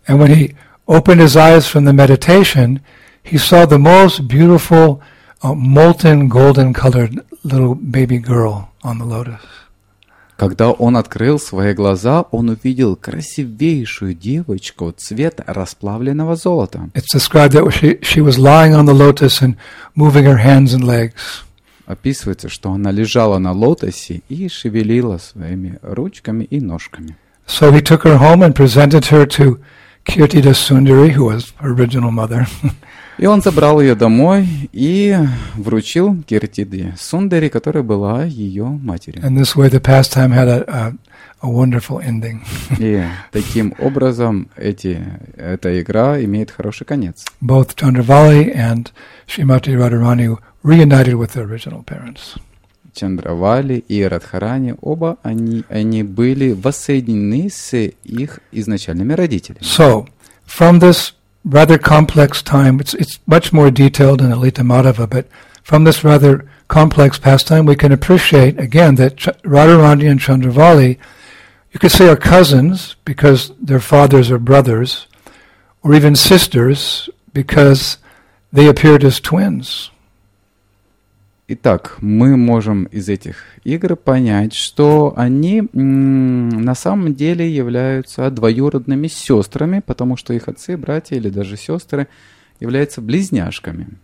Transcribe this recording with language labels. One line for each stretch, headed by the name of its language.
English: And when he opened his eyes from the meditation, he saw the most beautiful, molten, golden-colored little baby girl on the lotus.
Russian: Когда он открыл свои глаза, он увидел красивейшую девочку цвета расплавленного золота.
English: It's described that she was lying on the lotus and moving her hands and legs.
Russian: Описывается, что она лежала на лотосе и шевелила своими ручками и ножками.
English: So he took her home and presented her to Kirtita Sundari, who was her original mother.
Russian: И он забрал ее домой и вручил Киртиде Сундари, которая была ее матерью.
English: And this way the pastime had a wonderful ending.
Russian: И таким образом эта игра имеет хороший конец.
English: Both Chandravali and Srimati Radharani reunited with their original parents.
Russian: Чандравали и Радхарани, оба они были воссоединены с их изначальными родителями.
English: So, from this rather complex time, it's much more detailed in Lalita Madhava, but from this rather complex pastime, we can appreciate, again, that Radharani and Chandravali, you could say are cousins, because their fathers are brothers, or even sisters, because they appeared as twins.
Russian: Итак, мы можем из этих игр понять, что они на самом деле являются двоюродными сестрами, потому что их отцы, братья или даже сестры являются близняшками.